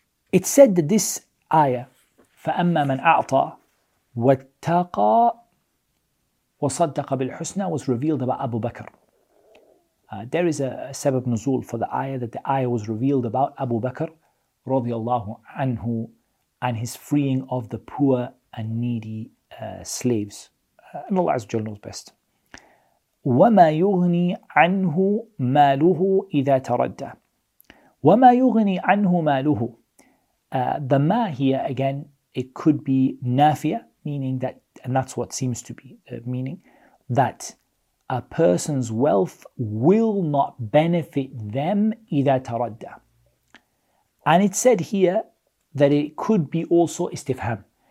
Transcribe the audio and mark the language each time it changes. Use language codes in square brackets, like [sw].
[en] It said that this ayah, [ar] فَأَمَّا مَنْ أَعْطَى وَاتَّقَى وَصَدَّقَ بِالْحُسْنَى, [en] was revealed about Abu Bakr. There is a sabab nuzul for the ayah, that the ayah was revealed about Abu Bakr radiallahu anhu and his freeing of the poor and needy slaves. And Allah Azza wa Jalla knows best. [ar] وَمَا يُغْنِي عَنْهُ مَالُهُ إِذَا تَرَدَّى. وَمَا يُغْنِي عَنْهُ مَالُهُ. [en] The ma here, again, it could be nafia, meaning that, and that's what seems to be the meaning, that a person's wealth will not benefit them [ar] إِذَا تَرَدَّى. [en] And it said here that it could be also istifham.